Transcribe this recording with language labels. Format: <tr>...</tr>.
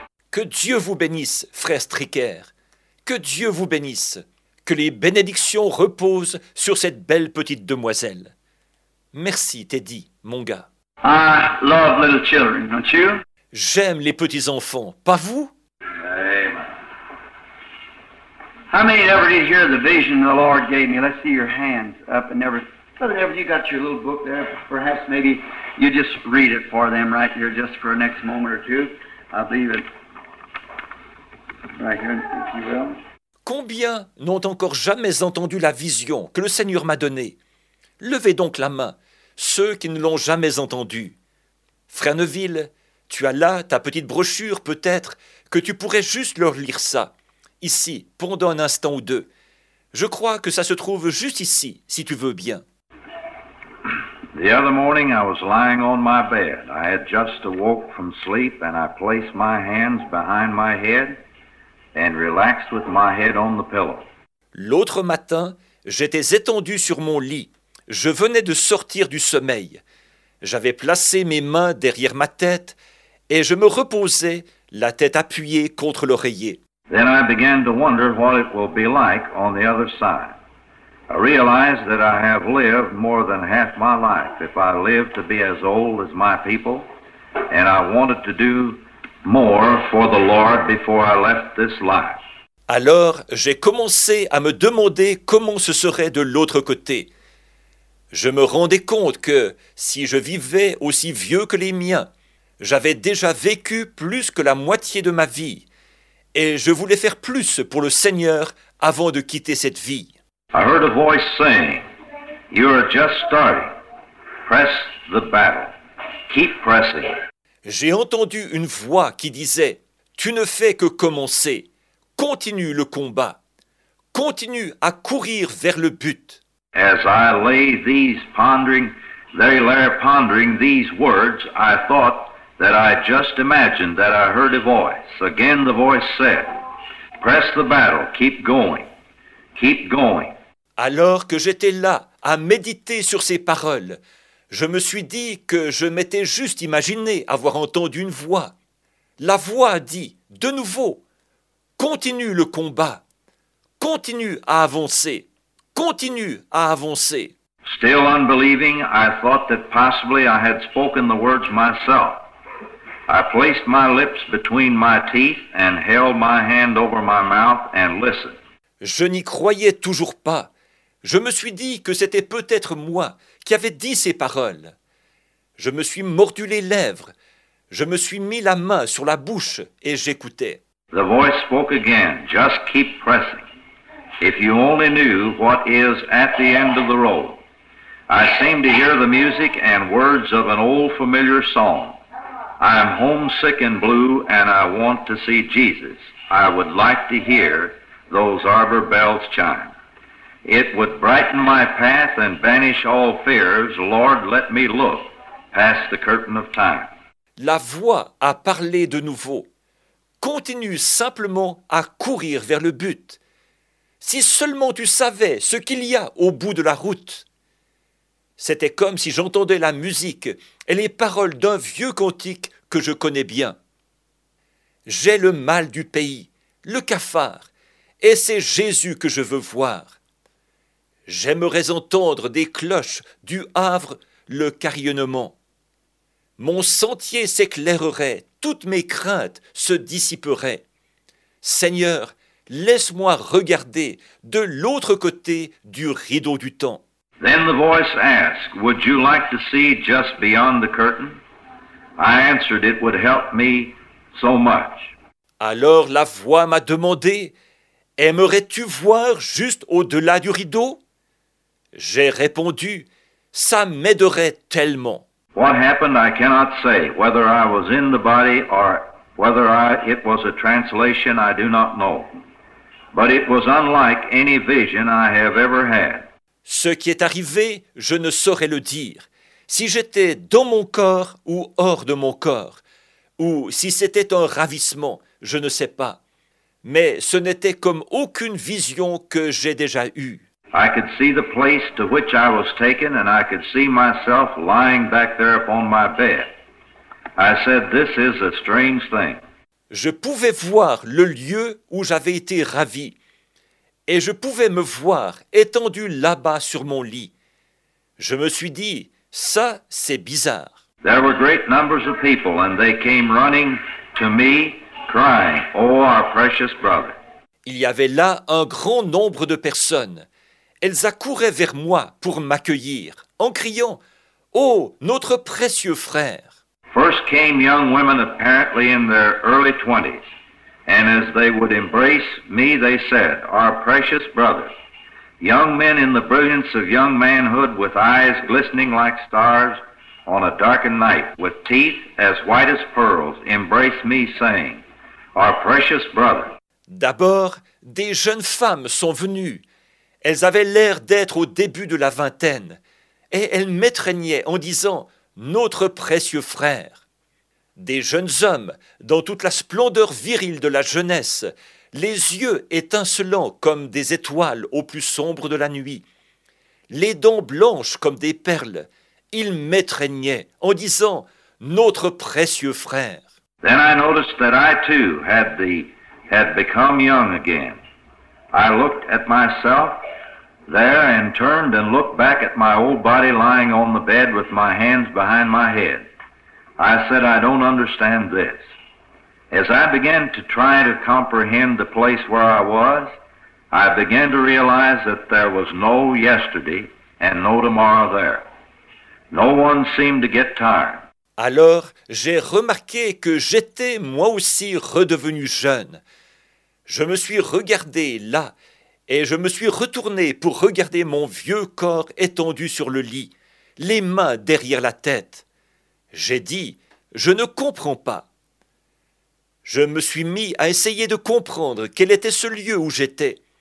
<fr>Que Dieu vous bénisse, frère Stricker. Que Dieu vous bénisse. Que les bénédictions reposent sur cette belle petite demoiselle. Merci, Teddy, mon gars.</fr> <en>I love little children, don't you?</en> <fr>J'aime les petits-enfants, pas vous?</fr> <en>Amen. How many ever did you hear the vision the Lord gave me? Let's see your hands up and never. Brother Everett, you got your little book there. Perhaps maybe you just read it for them right here just for the next moment or two. I believe it. Right here, if you will.</en> <fr>Combien n'ont encore jamais entendu la vision que le Seigneur m'a donnée? Levez donc la main, ceux qui ne l'ont jamais entendue. Frère Neville, tu as là ta petite brochure, peut-être, que tu pourrais juste leur lire ça, ici, pendant un instant ou deux. Je crois que ça se trouve juste ici, si tu veux bien.</fr> <en>The other morning I was lying on my bed. I had just awoke from sleep and I placed my hands behind my head. And relaxed with my head on the pillow.</en> <fr>L'autre matin, j'étais étendu sur mon lit. Je venais de sortir du sommeil. J'avais placé mes mains derrière ma tête et je me reposais, la tête appuyée contre l'oreiller.</fr> <en>Then I began to wonder what it will be like on the other side. I realized that I have lived more than half my life if I live to be as old as my people, and I wanted to do more for the Lord before I left this life.</en> <fr>Alors, j'ai commencé à me demander comment ce serait de l'autre côté. Je me rendais compte que si je vivais aussi vieux que les miens, j'avais déjà vécu plus que la moitié de ma vie et je voulais faire plus pour le Seigneur avant de quitter cette vie.</fr> <en>I heard a voice saying, "You are just starting. Press the battle. Keep pressing."</en> <fr>J'ai entendu une voix qui disait « Tu ne fais que commencer. Continue le combat. Continue à courir vers le but. »</fr> <en>As I lay these pondering, they lay pondering these words, I thought, that I just imagined that I heard a voice. Again, the voice said, "Press the battle, keep going, keep going."</en> <fr>Alors que j'étais là à méditer sur ces paroles, je me suis dit que je m'étais juste imaginé avoir entendu une voix. La voix dit, de nouveau, continue le combat, continue à avancer, continue à avancer.</fr> <en>Still unbelieving, I thought that possibly I had spoken the words myself. I placed my lips between my teeth and held my hand over my mouth and listened.</en> <fr>Je n'y croyais toujours pas. Je me suis dit que c'était peut-être moi qui avais dit ces paroles. Je me suis mordu les lèvres. Je me suis mis la main sur la bouche et j'écoutais.</fr> <en>The voice spoke again. Just keep pressing. If you only knew what is at the end of the road. I seemed to hear the music and words of an old familiar song. I am homesick and blue and I want to see Jesus. I would like to hear those arbor bells chime. It would brighten my path and banish all fears. Lord, let me look past the curtain of time.</en> <fr>La voix a parlé de nouveau. Continue simplement à courir vers le but. Si seulement tu savais ce qu'il y a au bout de la route. C'était comme si j'entendais la musique et les paroles d'un vieux cantique que je connais bien. J'ai le mal du pays, le cafard, et c'est Jésus que je veux voir. J'aimerais entendre des cloches du Havre le carillonnement. Mon sentier s'éclairerait, toutes mes craintes se dissiperaient. Seigneur, laisse-moi regarder de l'autre côté du rideau du temps.</fr> <en>Then the voice asked, would you like to see just beyond the curtain? I answered, it would help me so much.</en> <fr>Alors la voix m'a demandé, aimerais-tu voir juste au-delà du rideau? J'ai répondu, ça m'aiderait tellement.</fr> <en>What happened, I cannot say. Whether I was in the body or whether it was a translation, I do not know. But it was unlike any vision I have ever had.</en> <fr>Ce qui est arrivé, je ne saurais le dire. Si j'étais dans mon corps ou hors de mon corps, ou si c'était un ravissement, je ne sais pas. Mais ce n'était comme aucune vision que j'ai déjà eue.</fr> <en>I could see the place to which I was taken and I could see myself lying back there upon my bed. I said, this is a strange thing.</en> <fr>Je pouvais voir le lieu où j'avais été ravi. Et je pouvais me voir étendu là-bas sur mon lit. Je me suis dit, ça, c'est bizarre.</fr> <en>There were great numbers of people and they came running to me crying, oh, our precious brother.</en> <fr>Il y avait là un grand nombre de personnes. Elles accouraient vers moi pour m'accueillir en criant, oh, notre précieux frère.</fr> <en>First came young women apparently in their early 20s. And as they would embrace me, they said, our precious brother, young men in the brilliance of young manhood with eyes glistening like stars on a darkened night, with teeth as white as pearls, embrace me saying, our precious brother.</en> <fr>D'abord, des jeunes femmes sont venues. Elles avaient l'air d'être au début de la vingtaine. Et elles m'étreignaient en disant, notre précieux frère. Des jeunes hommes, dans toute la splendeur virile de la jeunesse, les yeux étincelants comme des étoiles au plus sombre de la nuit, les dents blanches comme des perles, ils m'étreignaient en disant, « Notre précieux frère !»</fr> <en>Then I noticed that I too had become young again. I looked at myself there and turned and looked back at my old body lying on the bed with my hands behind my head. I said, I don't understand this. As I began to try to comprehend the place where I was, I began to realize that there was no yesterday and no tomorrow there. No one seemed to get tired.</en> <fr>Alors, j'ai remarqué que j'étais moi aussi redevenu jeune. Je me suis regardé là et je me suis retourné pour regarder mon vieux corps étendu sur le lit, les mains derrière la tête. J'ai dit, je ne comprends pas. Je me suis mis à essayer de comprendre quel était ce lieu où j'étais.</fr>